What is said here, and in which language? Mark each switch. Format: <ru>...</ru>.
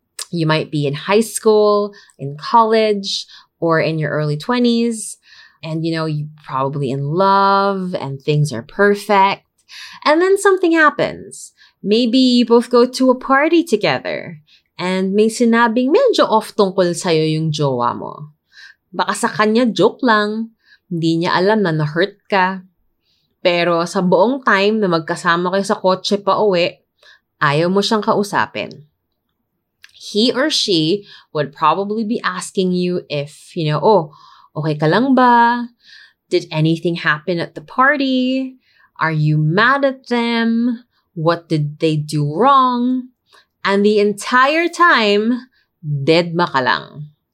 <en>You might be in high school, in college, or in your early 20s. And you know, you're probably in love and things are perfect. And then something happens. Maybe you both go to a party together.</en> <tl>And may sinabing medyo off tungkol sa'yo yung jowa mo. Baka sa kanya joke lang, hindi niya alam na na-hurt ka. Pero sa buong time na magkasama kayo sa kotse pa uwi, ayaw mo siyang kausapin.</tl> <en>He or she would probably be asking you if, you know, oh,</en> <tl>okay ka lang ba?</tl> <en>Did anything happen at the party? Are you mad at them? What did they do wrong? And the entire time,</en> <tl>dead ma ka lang.</tl>